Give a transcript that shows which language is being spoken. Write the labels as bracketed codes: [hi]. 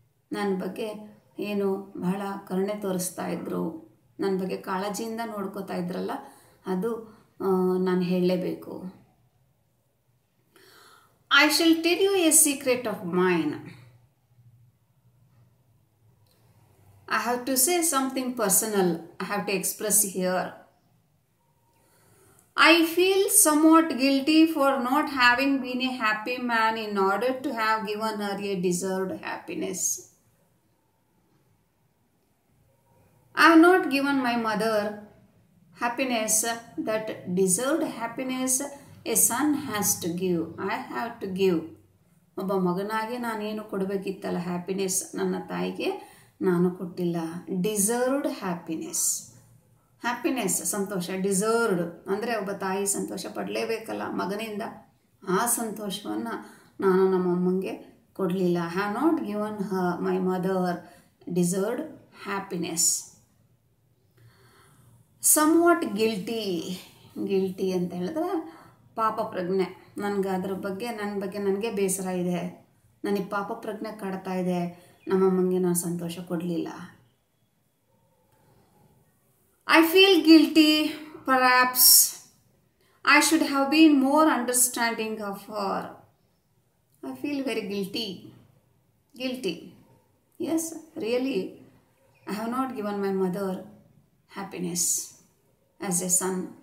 [kn] ನನ್ನ ಬಗ್ಗೆ ಏನು ಬಹಳ ಕರುಣೆ ತೋರಿಸ್ತಾ ಇದ್ರು, ನನ್ನ ಬಗ್ಗೆ ಕಾಳಜಿಯಿಂದ ನೋಡ್ಕೋತಾ ಇದ್ರಲ್ಲ, ಅದು ನಾನು ಹೇಳಲೇಬೇಕು. [en] I shall tell you a secret of mine. I have to say something personal, I have to express here. I feel somewhat guilty for not having been a happy man in order to have given her a deserved happiness. I have not given my mother happiness that deserved happiness a son has to give. I have to give. [kn] ಒಬ್ಬ ಮಗನಾಗಿ ನಾನೇನು ಕೊಡಬೇಕಿತ್ತಲ್ಲ happiness, ನನ್ನ ತಾಯಿಗೆ ನಾನು ಕೊಟ್ಟಿಲ್ಲ. [en] Deserved happiness, happiness, ಸಂತೋಷ. [kn] Deserved ಅಂದರೆ ಒಬ್ಬ ತಾಯಿ ಸಂತೋಷ ಪಡಲೇಬೇಕಲ್ಲ ಮಗನಿಂದ. ಆ ಸಂತೋಷವನ್ನು ನಾನು ನಮ್ಮಮ್ಮಗೆ ಕೊಡಲಿಲ್ಲ. [en] I have not given her my mother deserved happiness. Somewhat guilty, [kn] guilty ಅಂತ ಹೇಳಿದ್ರೆ ಪಾಪ ಪ್ರಜ್ಞೆ. ನನಗೆ ಅದ್ರ ಬಗ್ಗೆ, ನನ್ನ ಬಗ್ಗೆ ನನಗೆ ಬೇಸರ ಇದೆ, ನನಗೆ ಪಾಪ ಪ್ರಜ್ಞೆ ಕಾಡ್ತಾ ಇದೆ, ನಮ್ಮಮ್ಮಗೆ ನಾನು ಸಂತೋಷ ಕೊಡಲಿಲ್ಲ. [en] I feel guilty, perhaps I should have been more understanding of her. I feel very guilty, guilty. Yes, really, I have not given my mother happiness as a son.